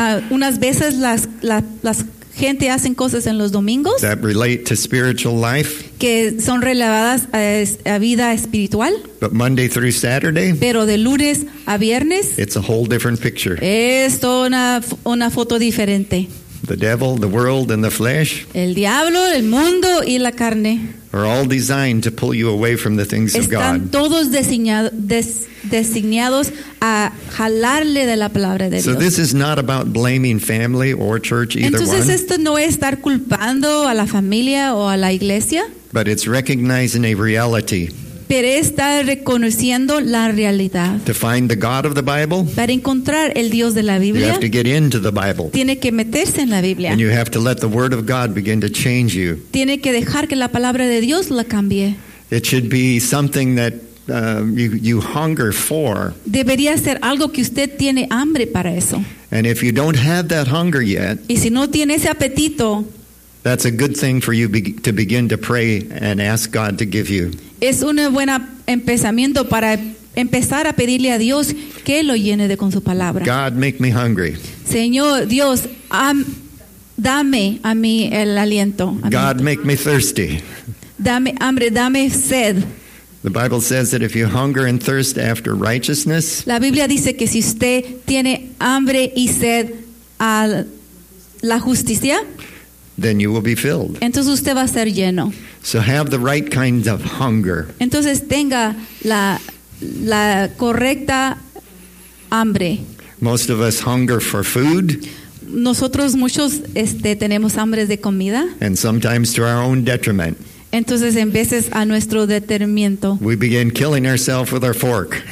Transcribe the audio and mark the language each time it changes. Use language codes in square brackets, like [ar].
[es] Unas veces las gente hacen cosas en los domingos. [en] That relate to spiritual life. [es] Que son relevadas a vida espiritual. [en] But Monday through Saturday. [es] Pero de lunes a viernes. [en] It's a whole different picture. [es] Es una foto diferente. [en] The devil, the world, and the flesh. [es] El diablo, el mundo y la carne. [en] Are all designed to pull you away from the things [es] están [en] of God. [es] Están todos designados a jalarle de la palabra de [en] so [es] Dios. [en] So this is not about blaming family or church either. [es] Entonces, [en] one. [es] Entonces esto no es estar culpando a la familia o a la iglesia. [en] But it's recognizing a reality. [es] Pero está reconociendo la realidad. [en] To find the God of the Bible. [es] Para encontrar el Dios de la Biblia. [en] You have to get into the Bible. [es] Tiene que meterse en la Biblia. [en] And you have to let the Word of God begin to change you. [es] Tiene que dejar que la palabra de Dios la cambie. [en] It should be something that you hunger for. [es] Debería ser algo que usted tiene hambre para eso. [en] And if you don't have that hunger yet. [es] Y si no tiene ese apetito. [en] That's a good thing for you to begin to pray and ask God to give you. [es] Es un buen empezamiento para empezar a pedirle a Dios que lo llene de con su palabra. [en] God, make me hungry. [es] Señor, Dios, dame a mí el aliento. [en] God, make me thirsty. [es] Dame hambre, dame sed. [en] The Bible says that if you hunger and thirst after righteousness, [es] la Biblia dice que si usted tiene hambre y sed a la justicia, [en] then you will be filled. [es] Entonces usted va a ser lleno. [en] So have the right kinds of hunger. [es] Entonces tenga la correcta hambre. [en] Most of us hunger for food. [es] Nosotros muchos tenemos hambre de comida. [en] And sometimes to our own detriment. [es] Entonces en veces a nuestro detrimento. [en] We begin killing ourselves with our fork.